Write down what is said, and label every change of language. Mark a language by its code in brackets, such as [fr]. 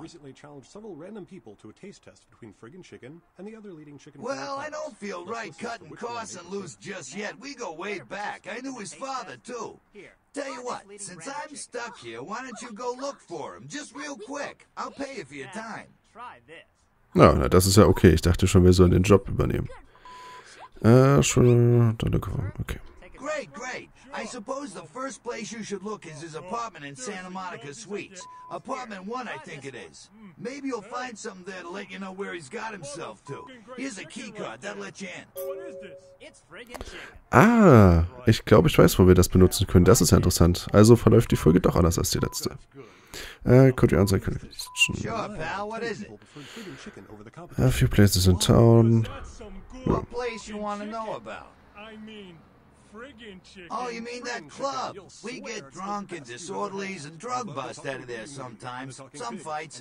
[en] Recently challenged several random people to a taste test between Friggin' Chicken and the other leading chicken... Well, I don't feel right cutting Carson loose just yet. We go way back. I knew his father, too. Tell you what, since I'm stuck here, why don't you go look for him? Just real quick. I'll pay you for your time. Try [de] this. Na, das ist ja okay. Ich dachte schon, wir sollen den Job übernehmen. Schon, dann okay. [en] Great, great. I suppose the first place you should look is his apartment in Santa Monica Suites. Apartment 1, I think it is. Maybe you'll find something there to let you know where he's got himself to. Here's a key card, that'll let you in. [de] Ah, ich glaube, ich weiß, wo wir das benutzen können. Das ist ja interessant. Also verläuft die Folge doch anders als die letzte. [en] Could you answer a question? Sure, pal, what is it? A few places in town. What place you want to know about? I mean, friggin' chicken. Oh, you mean that club? We get drunk and disorderlies and drug bust out of there sometimes. Some fights.